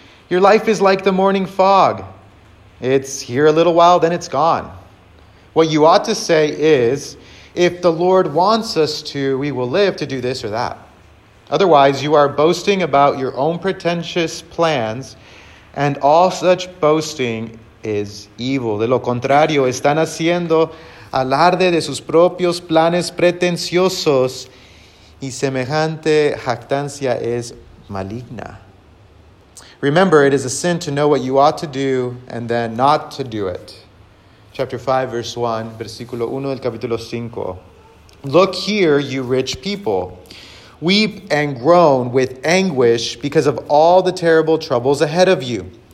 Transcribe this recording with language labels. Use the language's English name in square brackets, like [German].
[English] Your life is like the morning fog. It's here a little while, then it's gone. What you ought to say is, if the Lord wants us to, we will live to do this or that. Otherwise, you are boasting about your own pretentious plans, and all such boasting is evil. [Spanish] De lo contrario, están haciendo alarde de sus propios planes pretenciosos, y semejante jactancia es maligna. [English] Remember, it is a sin to know what you ought to do and then not to do it. Chapter 5, verse 1, [Spanish] versículo 1 del capítulo 5. [English] Look here, you rich people. Weep and groan with anguish because of all the terrible troubles ahead of you.